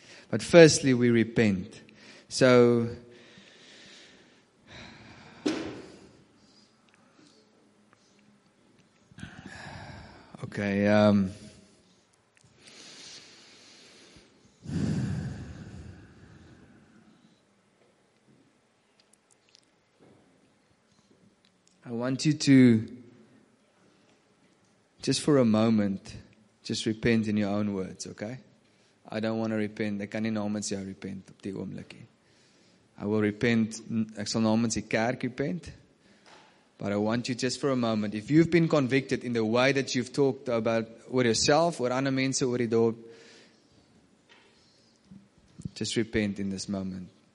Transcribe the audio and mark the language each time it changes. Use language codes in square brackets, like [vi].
[en] But firstly, we repent. So, okay, I want you to, just for a moment, just repent in your own words, okay? I don't want to repent. [af] Ek kan nie namens jou repent op die oomblikie. [en] I will repent, [af] ek sal namens die kerk repent. [en] But I want you just for a moment, if you've been convicted in the way that you've talked about oor yourself, [af] oor ander mense, oor die dorp, [en] just repent in this moment.